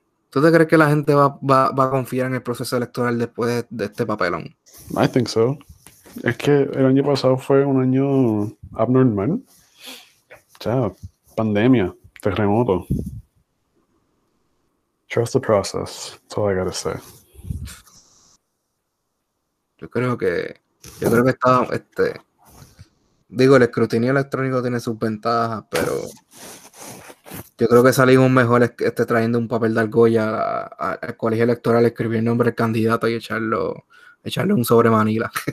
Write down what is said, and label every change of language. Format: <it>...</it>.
<es>¿Tú te crees que la gente va a confiar en el proceso electoral después de este papelón?</es> <en>I think so.</en> <es>Es que el año pasado fue un año abnormal. O sea, pandemia, terremoto.</es> <en>Trust the process, that's all I gotta say.</en> <es>Yo creo que está, el escrutinio electrónico tiene sus ventajas, pero yo creo que salimos mejor trayendo un papel de argolla al colegio electoral, escribir el nombre del candidato y echarle un sobre Manila.</es>